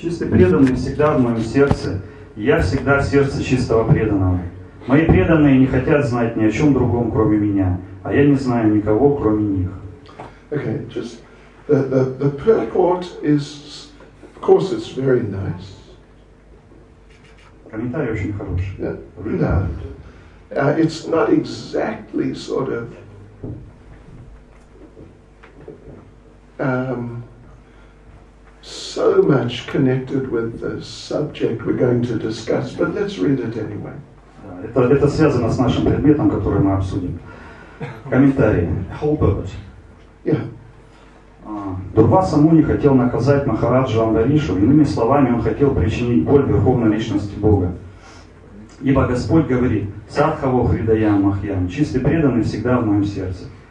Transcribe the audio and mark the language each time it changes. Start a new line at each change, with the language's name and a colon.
Russian: Чистый преданный всегда в моем сердце. Я всегда в сердце чистого преданного. Мои преданные не хотят знать ни о чем другом, кроме меня. А я не знаю никого, кроме них.
English: Okay, just the purport is, of course, it's very nice.
Russian: Комментарий очень хороший. Да. Yeah.
English: It's not exactly sort of so much connected with the subject we're going to discuss, but let's read it anyway.
Russian: Это связано с нашим предметом, который мы обсудим. Комментарий.
English: Whole purpose. Yeah.
Russian: Дурваса Муни хотел наказать Махараджу Амбаришу, иными словами, он хотел причинить боль Верховной Личности Бога. Ибо Господь говорит: «Садхаво Хридаям Махьям, чистый преданный всегда в моем сердце».